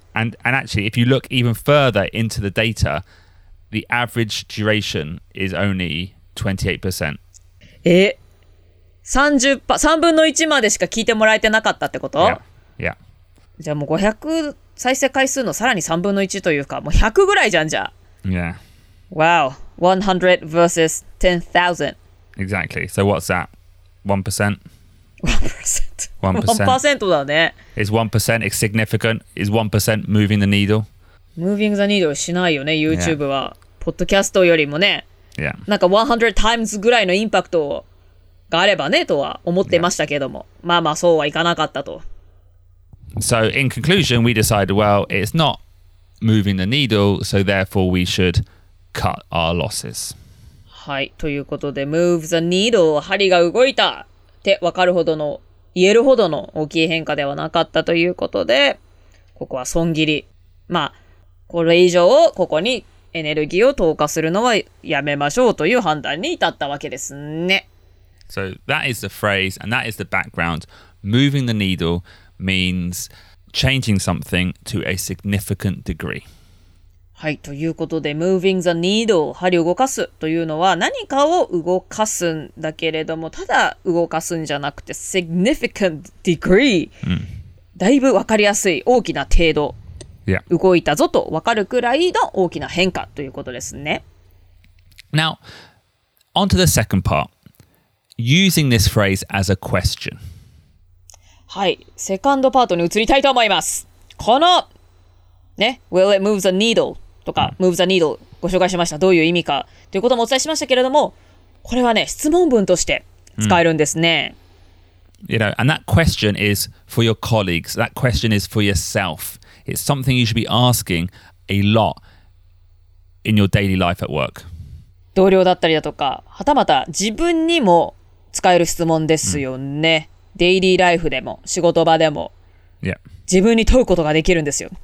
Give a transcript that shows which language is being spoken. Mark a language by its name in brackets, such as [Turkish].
[English] And actually, if you look even further into the data, the average duration is only 28%. [Japanese] え、30%、3分の1 までしか聞いてもらえてなかったってこと? [English] Yeah. Yeah. [Japanese] じゃあもう500再生回数のさらに3分の1というか、もう100ぐらいじゃんじゃ。 [English] Yeah. Wow. 100 versus 10,000. Exactly. So what's that? 1%? [Japanese] 1%. 1% だね。 [English] Is 1% significant? Is 1% moving the needle? Moving the needle [Japanese] しないよね、YouTube は。 [English] Yeah. [Japanese] ポッドキャストよりもね。 [English] Yeah. [Japanese] なんか [English] 100 times [Japanese] ぐらいのインパクトがあればね、とは思ってましたけども。 [English] Yeah. [Japanese] まあまあそうはいかなかったと。 [English] So in conclusion, we decided, well, it's not moving the needle, so therefore we should cut our losses. [Japanese] はい。ということで、 [English] move the needle、 [Japanese] 針が動いたってわかるほどの言えるほどの大きい変化ではなかったということで、ここは損切り。まあ、これ以上、ここにエネルギーを投下するのはやめましょうという判断に至ったわけですね。 [English] So that is the phrase and that is the background. Moving the needle means changing something to a significant degree. [Japanese] はい、ということで、 [English] moving the needle、 [Japanese] 針を動かすというのは何かを動かすんだけれども、ただ動かすんじゃなくて、 [English] significant degree、 [Japanese] だいぶ分かりやすい、大きな程度、動いたぞと分かるくらいの大きな変化ということですね。 [English] Now, on to the second part. Using this phrase as a question. [Japanese] はい、セカンドパートに移りたいと思います。この、ね、 [English] Will it move the needle? [Japanese] とか、 [English] move the needle [Japanese] ご紹介しました。どういう意味かということもお伝えしましたけれども、これはね、質問文として使えるんですね。 [English] You know, and that question is for your colleagues. That question is for yourself. It's something you should be asking a lot in your daily life at work. [Japanese] 同僚だったりだとか、はたまた自分にも使える質問ですよね。 [English] Daily life [Japanese] でも、仕事場でも。 [English] Yeah. [Japanese] 自分に問うことができるんですよ。